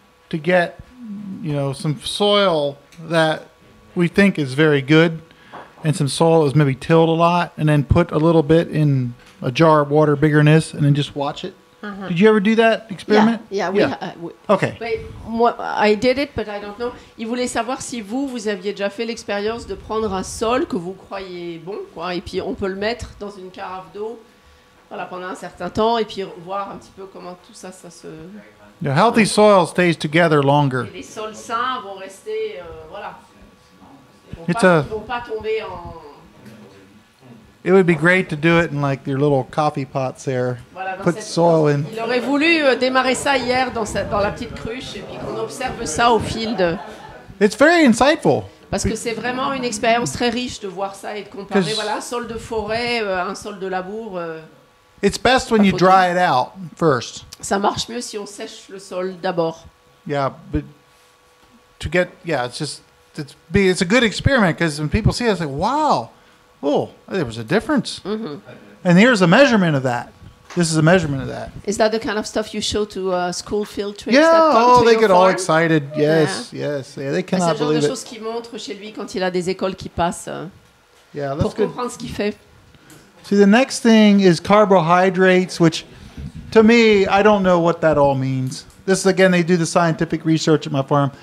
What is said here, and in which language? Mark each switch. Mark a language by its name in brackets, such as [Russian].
[English] To get, you know, some soil that we think is very good and some soil that was maybe tilled a lot and then put a little bit in a jar of water bigger than this and then just watch it. Uh-huh. Did you ever do that experiment? Yeah, okay. But, I did it, but I don't know. [French] Il voulait savoir si vous aviez déjà fait l'expérience de prendre un sol que vous croyez bon, quoi, et puis on peut le mettre dans une carafe d'eau, voilà, pendant un certain temps et puis voir un petit peu comment tout ça, ça se... [English] The healthy soil stays together longer. [French] Et les sols sains vont rester, voilà. Ils vont pas tomber en... [English] It would be great to do it in like your little coffee pots there. [French] Voilà, [English] put soil in. [French] Il aurait voulu démarrer ça hier dans la petite cruche et puis qu'on observe ça au fil de... [English] It's very insightful. [French] Parce que c'est vraiment une expérience très riche de voir ça et de comparer, voilà, un sol de forêt, un sol de labour... [English] It's best when you dry it out first. [French] Ça marche mieux si on sèche le sol d'abord. [English] Yeah, but to get, yeah, it's a good experiment because when people see it, it's like, wow, oh, there was a difference. Mm-hmm. And here's a measurement of that. This is a measurement of that. Is that the kind of stuff you show to school field trips? Yeah, that come oh, they get farm? All excited. Yes, yeah. Yes. Yeah, they cannot believe it. [French] C'est le genre de choses qu'il montre chez lui quand il a des écoles qui passent pour comprendre ce qu'il fait. [English] See, the next thing is carbohydrates, which, to me, I don't know what that all means. This, again, they do the scientific research at my farm.